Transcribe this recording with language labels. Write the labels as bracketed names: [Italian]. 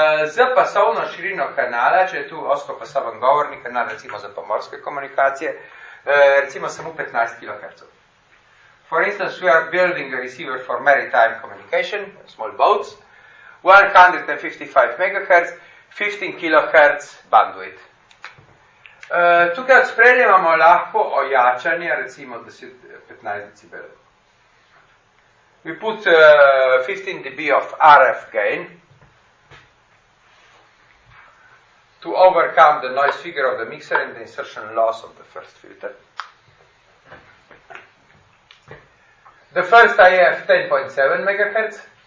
[Slovenian] Z pasovno širino kanala, če je tu ozkopasoven govorni kanal, recimo za pomorske komunikacije, recimo samo 15 kHz. [English] For instance, we are building a receiver for maritime communication, small boats, 155 MHz, 15 kHz bandwidth. [Slovenian] Tukaj sprejemamo lahko ojačanje, recimo 15 dB. [English] We put 15 dB of RF gain to overcome the noise figure of the mixer and the insertion loss of the first filter. The first IF 10.7 MHz.